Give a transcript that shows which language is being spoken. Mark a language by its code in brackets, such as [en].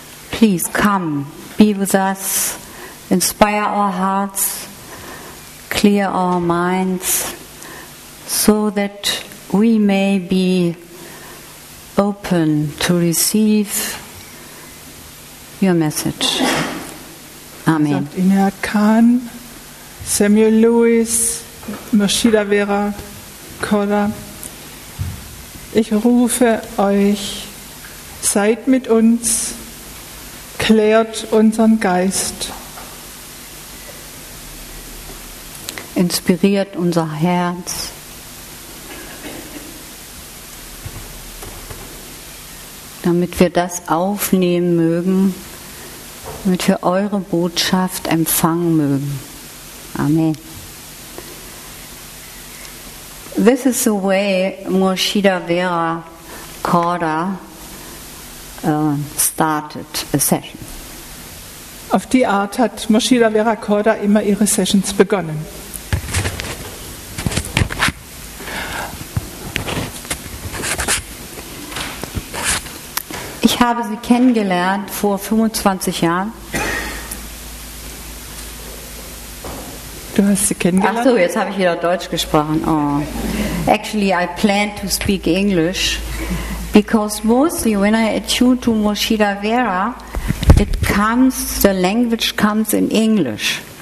[en] Please come, be with us, inspire our hearts, clear our minds, so that we may be open to receive your message. Amen. [de] Inayat Khan, Samuel Lewis, Moshida Verakorda, ich rufe euch, seid mit uns, klärt unseren Geist. Inspiriert unser Herz. Damit wir das aufnehmen mögen, damit wir eure Botschaft empfangen mögen. Amen. [en] This is the way Moshida Verakorda started a session. [de] Auf die Art hat Moshida Verakorda immer ihre Sessions begonnen. Ich habe sie kennengelernt vor 25 Jahren. Du hast sie kennengelernt? Ach so, jetzt habe ich wieder Deutsch gesprochen. Oh. [en] Actually, I plan to speak English, because mostly when I attune to Moshida Vera, the language comes in English.